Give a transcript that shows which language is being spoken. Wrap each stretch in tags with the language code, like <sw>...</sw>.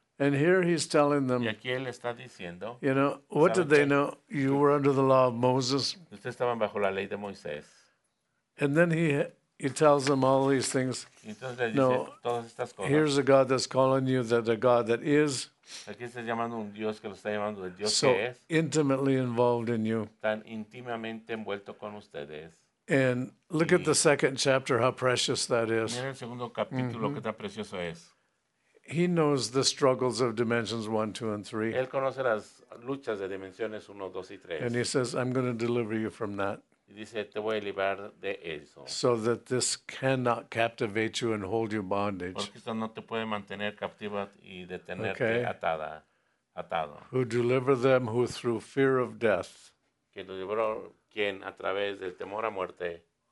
<en>And here he's telling them,</en> <es>y aquí él está diciendo,</es> <en>you know, what did they know? You were under the law of Moses.</en> <es>Ustedes estaban bajo la ley de Moisés.</es> <en>And then he tells them all these things.</en> <es>Entonces, dice, no, todas estas cosas.</es> <en>Here's a God that's calling you, that the God that is</en> <es>aquí está llamando un Dios que lo está llamando, el Dios</es> <en>so</en> <es>que es,</es> <en>intimately involved in you.</en> <es>Tan íntimamente envuelto con ustedes.</es> <en>And look y at the second chapter, how precious that is.</en> <es>Mira el segundo capítulo, mm-hmm. Qué tan precioso es.</es> <en>He knows the struggles of dimensions 1, 2, and 3.</en> <es>Él conoce las luchas de dimensiones 1, 2 y 3.</es> <en>And he says, I'm going to deliver you from that.</en> <es>Dice, te voy a liberar de eso.</es> <en>So that this cannot captivate you and hold you bondage.</en> <es>Porque esto no te puede mantener captiva y detenerte okay. Atada, atado.</es> <en>Who deliver them who through fear of death.</en> <es>Que lo liberó quien a través del temor a muerte.</es>